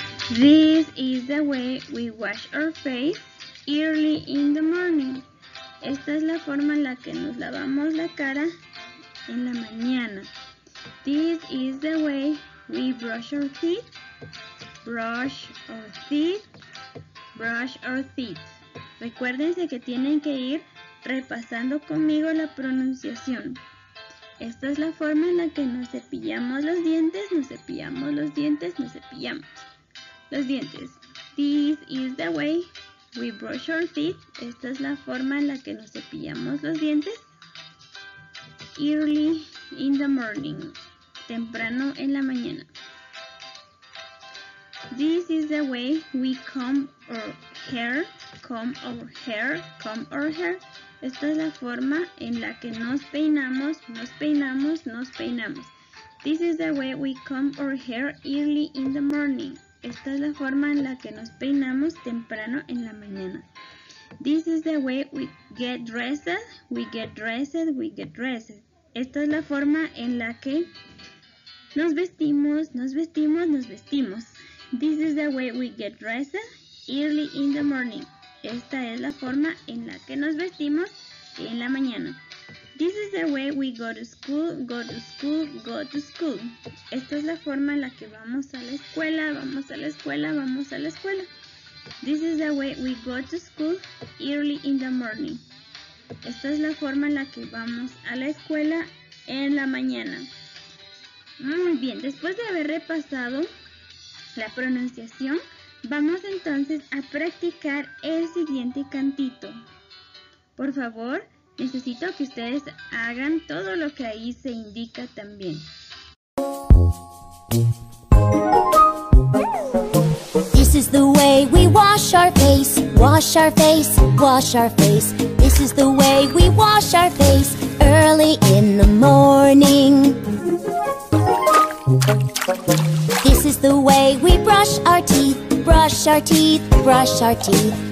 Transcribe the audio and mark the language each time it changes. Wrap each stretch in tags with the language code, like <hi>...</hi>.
<en>This is the way we wash our face early in the morning.</en> <es>Esta es la forma en la que nos lavamos la cara en la mañana.</es> <en>This is the way we brush our teeth. Brush our teeth. Brush our teeth.</en> <es>Recuérdense que tienen que ir repasando conmigo la pronunciación. Esta es la forma en la que nos cepillamos los dientes. Nos cepillamos los dientes. Nos cepillamos los dientes.</es> <en>This is the way we brush our teeth.</en> <es>Esta es la forma en la que nos cepillamos los dientes.</es> <en>Early in the morning.</en> <es>Temprano en la mañana.</es> <en>This is the way we comb our hair. Comb our hair. Comb our hair.</en> <es>Esta es la forma en la que nos peinamos, nos peinamos, nos peinamos.</es> <en>This is the way we comb our hair early in the morning.</en> <es>Esta es la forma en la que nos peinamos temprano en la mañana.</es> <en>This is the way we get dressed, we get dressed, we get dressed.</en> <es>Esta es la forma en la que nos vestimos, nos vestimos, nos vestimos.</es> <en>This is the way we get dressed early in the morning.</en> <es>Esta es la forma en la que nos vestimos en la mañana.</es> <en>This is the way we go to school, go to school, go to school.</en> <es>Esta es la forma en la que vamos a la escuela, vamos a la escuela, vamos a la escuela.</es> <en>This is the way we go to school early in the morning.</en> <es>Esta es la forma en la que vamos a la escuela en la mañana. Muy bien, después de haber repasado la pronunciación, vamos entonces a practicar el siguiente cantito. Por favor, necesito que ustedes hagan todo lo que ahí se indica también.</es> <en>This is the way we wash our face, wash our face, wash our face. This is the way we wash our face early in the morning. This is the way we brush our teeth, brush our teeth, brush our teeth.</en>